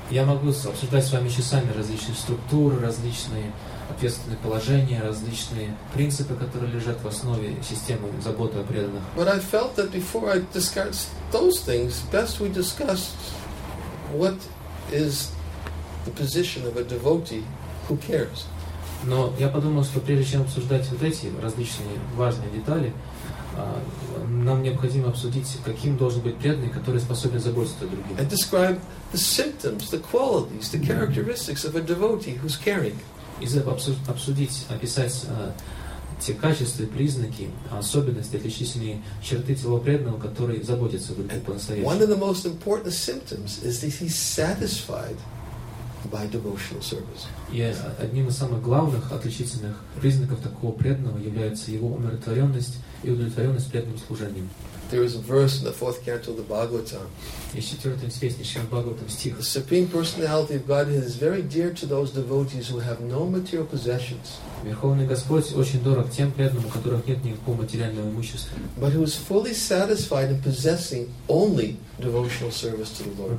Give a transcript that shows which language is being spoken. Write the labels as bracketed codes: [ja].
[ru] Я могу обсуждать с вами часами различные структуры, различные ответственные положения, различные принципы, которые лежат в основе системы заботы о преданных. [en] But I felt that before I discussed those things, best we discussed what is the position of a devotee who cares. [ru] Но я подумал, что прежде чем обсуждать вот эти различные важные детали, нам необходимо обсудить, каким должен быть преданный, который способен заботиться о других. [en] And describe the symptoms, the qualities, the characteristics of a devotee who's caring. [ru] И обсудить, описать те качества, признаки, особенности, отличительные черты того преданного, который заботится о других по-настоящему. [en] One of the most important symptoms is that he's satisfied by devotional service. [ru] Yes, одним из самых главных отличительных признаков такого преданного является его умиротворенность и удовлетворенность преданным служением. [en] There is a verse in the fourth canto of the Bhagavatam. [ru] Есть четвертый известный Шримад Бхагаватам стих. [en] The Supreme Personality of Godhead is very dear to those devotees who have no material possessions. [ru] Верховный Господь очень дорог тем преданным, у которых нет никакого материального имущества. [en] But who is fully satisfied in possessing only devotional service to the Lord.